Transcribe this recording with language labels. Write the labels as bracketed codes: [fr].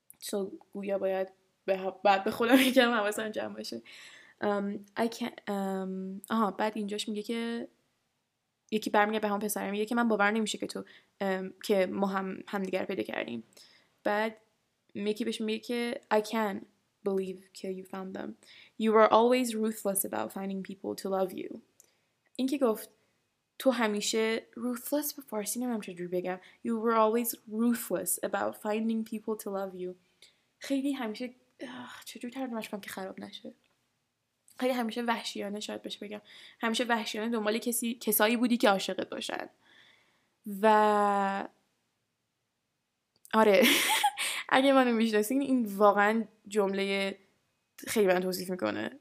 [fa] تو گویا باید بعد به خودم میگم حواسم جمع باشه. بعد اینجاش میگه که یکی برمیگه به هم پسره میگه که من باور نمیشه که تو که ما هم دیگر پیدا کردیم. بعد میکی بهش میگه که [en] I can believe [fa] که [en] you found them. You were always ruthless about finding people to love you. [fa] این که گفت تو همیشه ruthless به فارسی نمیم چجور بگم. [en] You were always ruthless about finding people to love you. [fa] خیلی همیشه چجور ترجمهش کنم که خراب نشه. خیلی همیشه وحشیانه شاید بشه بگم. همیشه وحشیانه دنبال کسایی بودی که عاشقت باشن. و آره اگه منو میشناسین این واقعا جمله خیلی من توصیف میکنه.